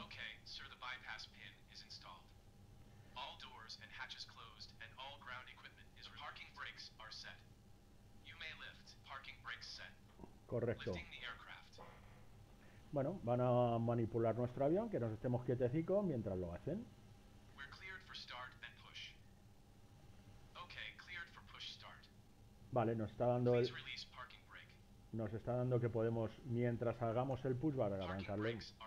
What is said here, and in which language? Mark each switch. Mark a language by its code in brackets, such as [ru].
[en] Okay, sir, the bypass pin is installed. All doors and hatches closed and all ground equipment is parking brakes are set. You may lift. Parking brakes set. [es] Correcto. [en] Lifting the aircraft. [es] Bueno, van a manipular nuestro avión, que nos estemos quietecicos mientras lo hacen. [en] We're cleared for start and push. Okay, cleared for push start. [es] Vale, nos está dando [en] Please [es] el [en] release parking brake. [es] Nos está dando que podemos, mientras hagamos el push, para arrancarle.